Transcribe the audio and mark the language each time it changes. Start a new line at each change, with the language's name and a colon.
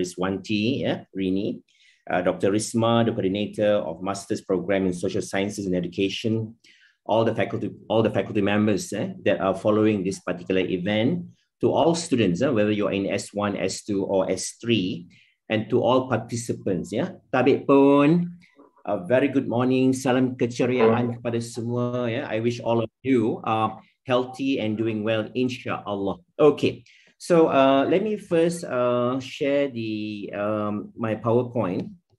English: Rizwanti Rini, Dr. Risma, the Coordinator of Master's Program in Social Sciences and Education, all the faculty members that are following this particular event, to all students, whether you're in S1, S2, or S3, and to all participants. Yeah,
Malay: Tabik pun,
English: a very good morning.
Malay: Salam keceriaan kepada semua.
English: Yeah, I wish all of you are healthy and doing well, inshallah. Okay, so let me first share the my PowerPoint.